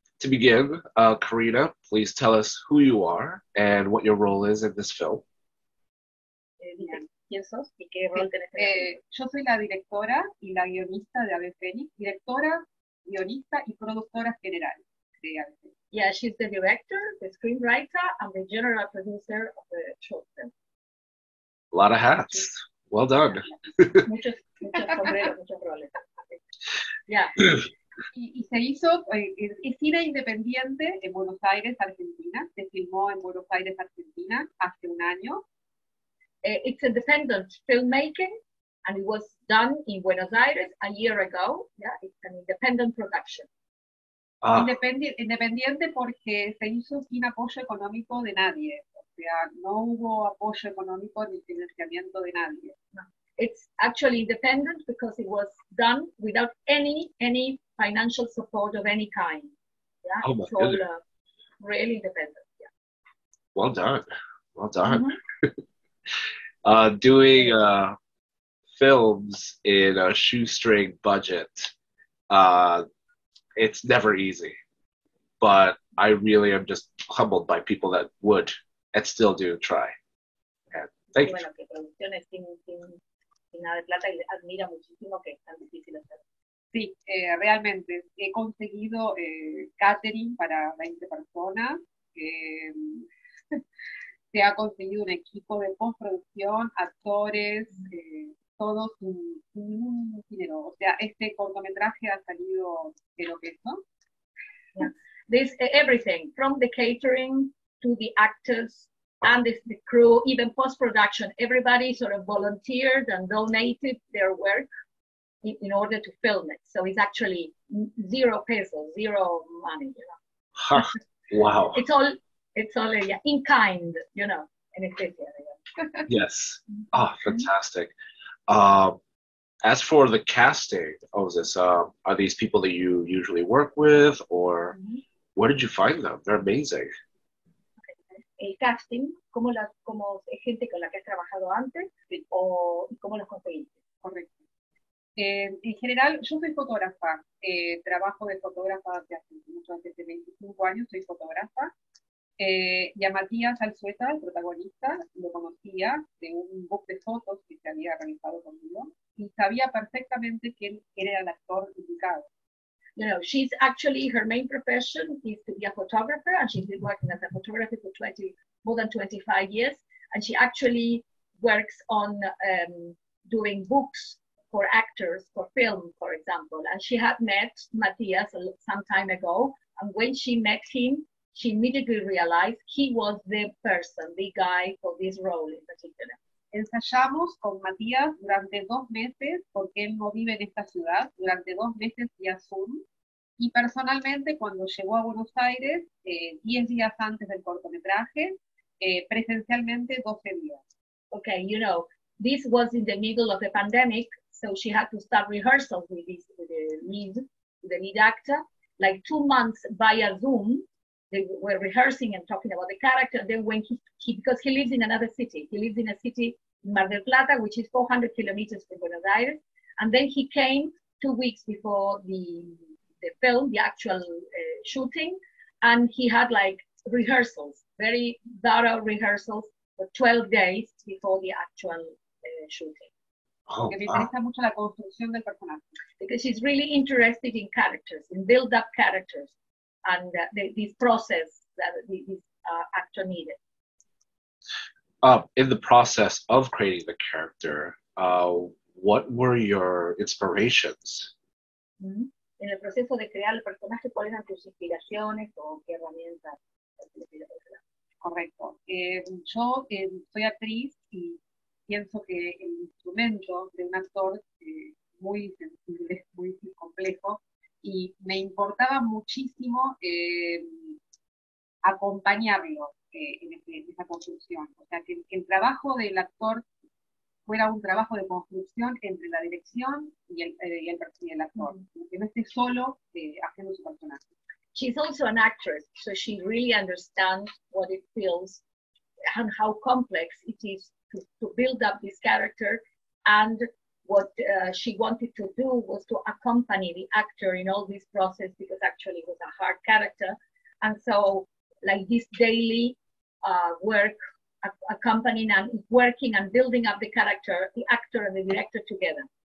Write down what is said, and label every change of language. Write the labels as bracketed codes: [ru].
[en] To begin, Karina, please tell us who you are and what your role is in this film. [es] ¿Quién sos y qué rol tenés? Yo soy la directora y la guionista de Ave Fénix, directora, guionista y productora general de Ave Fénix. [en] Yeah, she's the director, the screenwriter, and the general producer of the short film. A lot of hats. Well done. [es] Muchos sombreros, muchos roles. [en] Yeah. [es] Y se hizo, es cine independiente en Buenos Aires, Argentina. Se filmó en Buenos Aires, Argentina, hace un año. [en] It's independent filmmaking, and it was done in Buenos Aires a year ago. Yeah, it's an independent production. [es] Independiente porque se hizo sin apoyo económico de nadie. O sea, no hubo apoyo económico ni financiamiento de nadie. [en] It's actually independent because it was done without any financial support of any kind. Yeah, oh my it's all really independent. Yeah. Well done. Well done. Mm-hmm. doing films in a shoestring budget, it's never easy. But I really am just humbled by people that would and still do try. And thank you. [es] Sin nada de plata y admira muchísimo que es tan difícil hacer. Sí, realmente he conseguido catering para 20 personas, se ha conseguido un equipo de postproducción, actores, todos un dinero. O sea, este cortometraje ha salido de lo que es, ¿no? [en] This everything from the catering to the actors. And the crew, even post-production, everybody sort of volunteered and donated their work in order to film it. So it's actually zero pesos, zero money. You know? Wow. It's all in kind, you know. In Ethiopia, yeah. Yes. Ah, oh, fantastic. Mm-hmm. As for the casting of this, are these people that you usually work with or mm-hmm. where did you find them? They're amazing. [es] El casting, como gente con la que has trabajado antes, o cómo los conseguiste. Correcto. En general, yo soy fotógrafa, trabajo de fotógrafa desde hace mucho antes de 25 años, soy fotógrafa. Y a Matías Alzueta, el protagonista, lo conocía de un book de fotos que se había realizado conmigo, y sabía perfectamente quién era el actor indicado. [en] You know, she's actually, her main profession is to be a photographer, and she's been working as a photographer for more than 25 years, and she actually works on doing books for actors, for film, for example. And she had met Matías some time ago, and when she met him, she immediately realized he was the person, the guy for this role in particular. [es] Ensayamos con Matías durante 2 meses, porque él no vive en esta ciudad, durante 2 meses vía Zoom. Y personalmente, cuando llegó a Buenos Aires, 10 días antes del cortometraje, presencialmente 12 días. [en] Okay, you know, this was in the middle of the pandemic, so she had to start rehearsals with the lead actor, like 2 months via Zoom. They were rehearsing and talking about the character. Then when he, because he lives in another city. He lives in a city, Mar del Plata, which is 400 kilometers from Buenos Aires. And then he came 2 weeks before the film, the actual shooting. And he had like rehearsals, very thorough rehearsals for 12 days before the actual shooting. [es] Porque me interesa mucho la construcción del personaje. [en] Because she's really interested in characters, in build up characters, and this process that this actor needed. In the process of creating the character, what were your inspirations? Mm-hmm. [es] En el proceso de crear el personaje, ¿cuáles eran tus inspiraciones o qué herramientas? Correcto. Yo soy actriz y pienso que el instrumento de un actor es muy sensible, muy complejo, y me importaba muchísimo acompañarlo. En esa construcción, o sea, que el trabajo del actor fuera un trabajo de construcción entre la dirección y el actor, que no esté solo haciendo su personaje. [en] She's also an actress, so she really understands what it feels and how complex it is to build up this character, and what she wanted to do was to accompany the actor in all this process, because actually it was a hard character, and so like this daily work, accompanying and working and building up the character, the actor and the director together.